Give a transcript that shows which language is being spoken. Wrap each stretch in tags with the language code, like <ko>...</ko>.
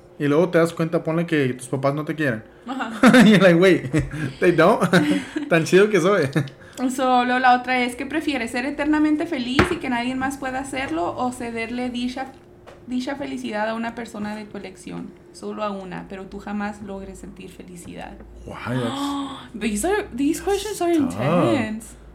<es>Y luego te das cuenta, ponle que tus papás no te quieren. Uh-huh.</es> <en>You're like, wait, they don't?</en> <es>Tan chido que soy. Solo la otra es que prefiere ser eternamente feliz y que nadie más pueda hacerlo o cederle dicha felicidad a una persona de tu elección. Solo a una, pero tú jamás logres sentir felicidad.</es> <en>Wow, that's, these questions are intense.</en>